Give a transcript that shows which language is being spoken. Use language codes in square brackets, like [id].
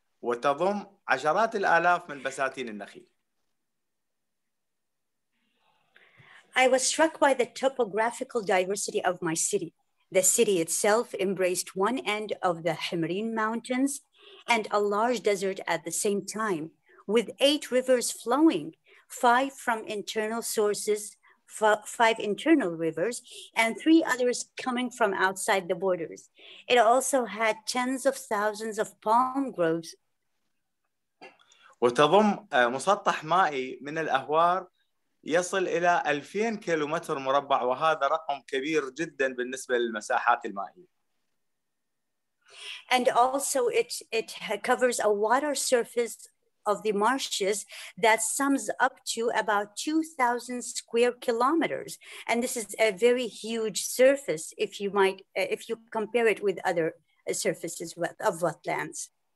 [ar] وتضم عشرات الآلاف من بساتين النخيل. [en] I was struck by the topographical diversity of my city. The city itself embraced one end of the Himrin Mountains and a large desert at the same time, with eight rivers flowing, five from internal sources, five internal rivers, and three others coming from outside the borders. It also had tens of thousands of palm groves. [ar] وتضم مسطح مائي من الأهوار يصل إلى 2000 كيلومتر مربع وهذا رقم كبير جدا بالنسبة للمساحات المائية. [en] And also it covers a water surface of the marshes that sums up to about 2000 square kilometers and this is a very huge surface if you compare it with other surfaces of wetlands.